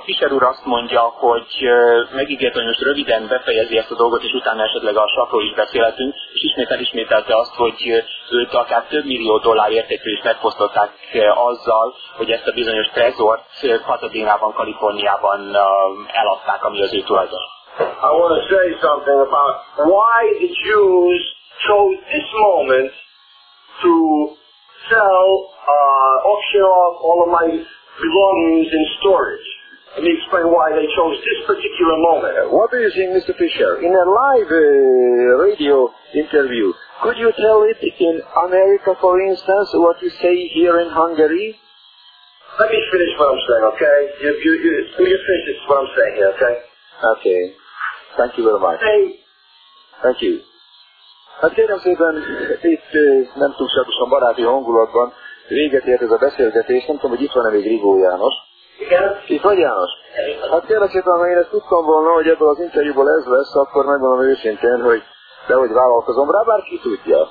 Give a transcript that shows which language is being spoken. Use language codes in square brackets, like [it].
[hu] Fischer úr azt mondja, hogy megígért, hogy most röviden befejezi ezt a dolgot, és utána esetleg a sakról is beszélhetünk, és ismét elismételte azt, hogy őt akár több millió dollár értékű is megfosztották azzal, hogy ezt a bizonyos trezort Pasadena-ban, Kaliforniában eladták, ami az ő tulajdon. [en] I want to say something about why the Jews chose this moment to sell, auction off all of my belongings in storage. Let me explain why they chose this particular moment. What do you think, Mr. Fischer? In a live radio interview, Could you tell it in America, for instance, what you say here in Hungary? Let me finish what I'm saying, okay? You finish this what I'm saying here, okay? Okay. Thank you very much. Hey. Thank you. [hu] Hát kérem szépen, itt nem túlságosan baráti hangulatban véget ért ez a beszélgetés, nem tudom, hogy itt van-e még Rigó János. Igen. Itt vagy János? Igen. Hát kérem szépen, ha én ezt tudtam volna, hogy ebből az interjúból ez lesz, akkor megmondom őszintén, hogy dehogy vállalkozom rá, bárki tudja.